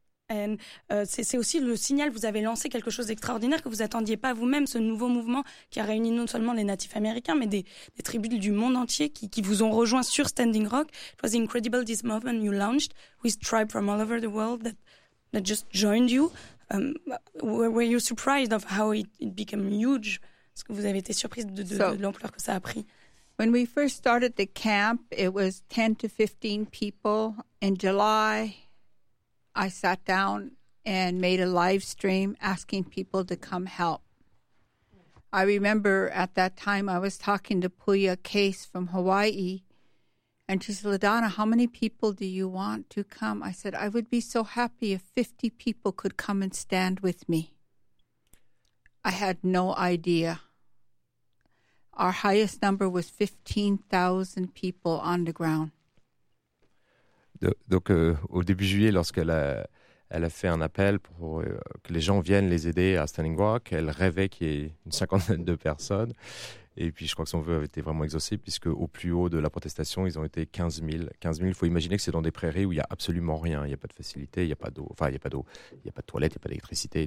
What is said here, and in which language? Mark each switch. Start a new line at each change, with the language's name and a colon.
French: And, c'est aussi le signal, vous avez lancé quelque chose d'extraordinaire que vous attendiez pas vous-même, ce nouveau mouvement qui a réuni non seulement les natifs américains, mais des tribus du monde entier qui vous ont rejoint sur Standing Rock.
English: It was incredible, this movement you launched with tribes from all over the world that just joined you. Were you surprised of how it became huge?
French: Est-ce que vous avez été surprise de l'ampleur que ça a pris?
English: When we first started the camp, it was 10 to 15 people. In July, I sat down and made a live stream asking people to come help. I remember at that time I was talking to Puya Case from Hawaii, and she said, LaDonna, how many people do you want to come? I said, I would be so happy if 50 people could come and stand with me. I had no idea. Our highest number was 15,000 people on the ground.
French: Donc au début juillet, lorsqu'elle a fait un appel pour que les gens viennent les aider à Standing Rock, elle rêvait qu'il y ait une cinquantaine de personnes. Et puis je crois que son vœu avait été vraiment exaucé, puisque au plus haut de la protestation, ils ont été 15 000. 15 000, il faut imaginer que c'est dans des prairies où il n'y a absolument rien. Il n'y a pas de facilité, il n'y a pas d'eau, enfin il n'y a pas d'eau, il n'y a pas de toilette, il n'y a pas d'électricité.